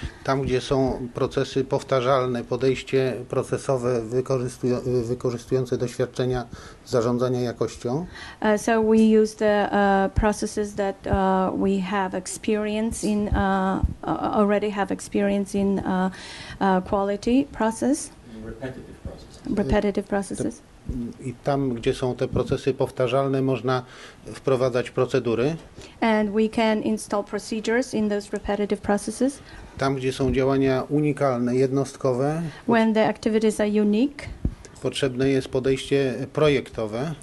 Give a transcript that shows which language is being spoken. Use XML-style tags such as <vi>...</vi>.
<pl>Tam, gdzie są procesy powtarzalne, podejście procesowe wykorzystujące doświadczenia zarządzania jakością.</pl> <en>So we use the processes that we have experience in, already have experience in quality process. Repetitive processes.</en> <pl>I tam, gdzie są te procesy powtarzalne, można wprowadzać procedury.</pl> <en>And we can install procedures in those repetitive processes.</en> <pl>Tam, gdzie są działania unikalne, jednostkowe.</pl> <en>When the activities are unique.</en> <pl>Potrzebne jest podejście projektowe.</pl>